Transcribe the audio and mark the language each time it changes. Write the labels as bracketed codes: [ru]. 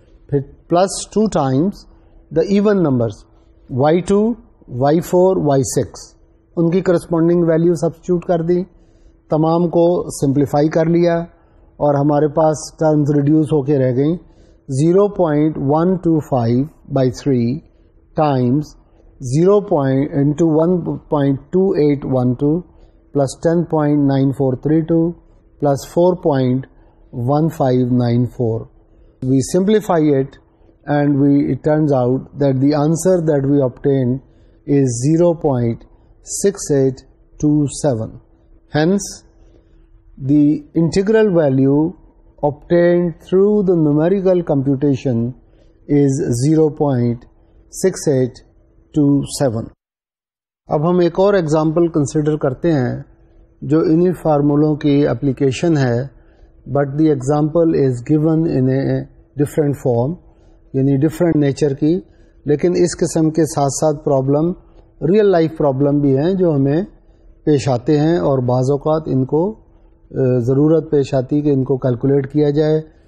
[ur] پھر plus 2 times the even numbers y2, y4, y6 ان کی corresponding value substitute کر دی, تمام کو سمپلیفائی کر لیا اور ہمارے پاس ٹرمز ریڈیوس ہو کے رہ گئیں 0.125/3 Times 0.128 plus 10.9432 plus 4.1594. [en] We simplify it and we it turns out that the answer that we obtain is 0.6827. [ur] Hence [en] The integral value obtained through the numerical computation is 0.6827. [ur] اب ہم ایک اور ایگزامپل کنسیڈر کرتے ہیں جو انہیں فارمولوں کی اپلیکیشن ہے, [en] but the example is given in a different form, [ur] یعنی ڈفرینٹ نیچر کی, لیکن اس قسم کے ساتھ ساتھ پرابلم ریئل لائف پرابلم بھی ہیں جو ہمیں پیش آتے ہیں اور بعض اوقات ان کو ضرورت پیش آتی کہ ان کو کیلکولیٹ کیا جائے.